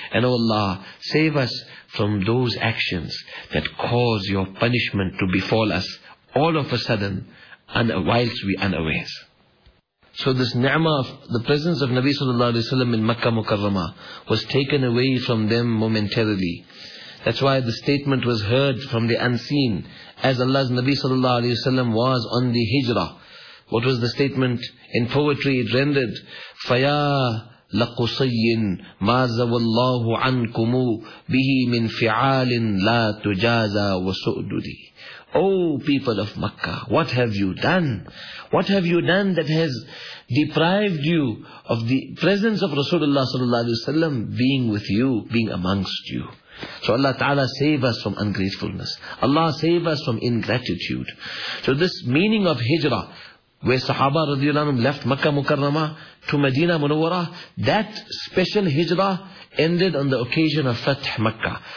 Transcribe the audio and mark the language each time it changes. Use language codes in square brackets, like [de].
[en] And O Allah, save us from those actions that cause your punishment to befall us all of a sudden, whilst we unawares. So this ni'mah of the presence of Nabi sallallahu alayhi wa sallam in Makkah Mukarramah was taken away from them momentarily. That's why the statement was heard from the unseen, as Allah's Nabi sallallahu alayhi wasallam was on the hijrah. What was the statement? In poetry it rendered, [ar] فَيَا لَقُصَيِّن مَا زَوَ اللَّهُ عَنْكُمُ بِهِ مِنْ فِعَالٍ لَا تُجَازَ وَسُؤْدُدِي. [en] Oh people of Makkah, what have you done? What have you done that has deprived you of the presence of Rasulullah sallallahu alayhi wasallam being with you, being amongst you? So Allah Ta'ala save us from ungratefulness. Allah save us from ingratitude. So this meaning of hijrah, where Sahaba radiallahu anhu left Makkah Mukarramah to Medina Munawwara, that special hijrah ended on the occasion of Fath Makkah.